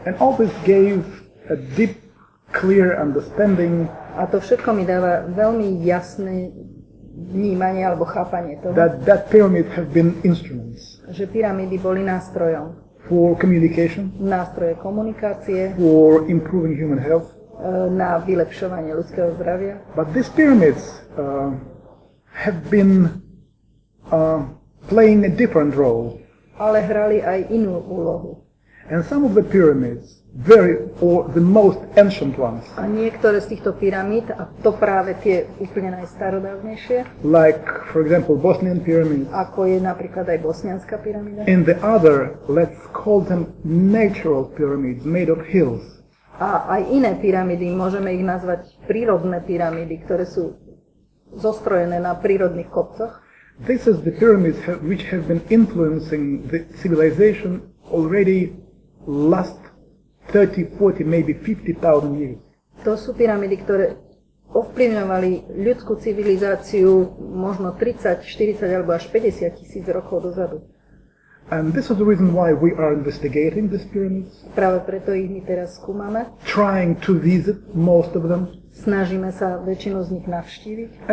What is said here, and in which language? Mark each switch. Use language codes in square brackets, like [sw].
[en] And all this gave a deep, clear understanding. [sk] A to všetko mi dáva veľmi jasné vnímanie alebo chápanie toho. [en] That pyramid have been instruments. [sk] Že pyramídy boli nástrojom. [en] For communication. [sk] Nástroje komunikácie. [en] For improving human health. [sk] Na vylepšovanie ľudského zdravia. [en] But these pyramids have been playing a different role. [sk] Ale hrali aj inú úlohu. [en] And some of the pyramids, very or the most ancient ones. [sk] A niektoré z týchto pyramíd, a to práve tie úplne najstarodávnejšie. [en] Like for example Bosnian pyramids. [sk] Ako je napríklad aj bosnianska pyramída. [en] And the other, let's call them natural pyramids made of hills. [sk] A aj iné pyramídy, môžeme ich nazvať prírodné pyramídy, ktoré sú zostrojené na prírodných kopcoch. [en] This is the pyramids which have been influencing the civilization already last 30, 40, maybe 50,000 years. [sk] To sú pyramidy, ktoré ovplyvňovali ľudskú civilizáciu možno 30, 40 alebo až 50 tisíc rokov dozadu. [en] And this is the reason why we are investigating these pyramids. [sk] Práve preto ich my teraz skúmame. [en] Trying to visit most of them. [sk] Snažíme sa väčšinu z nich navštíviť.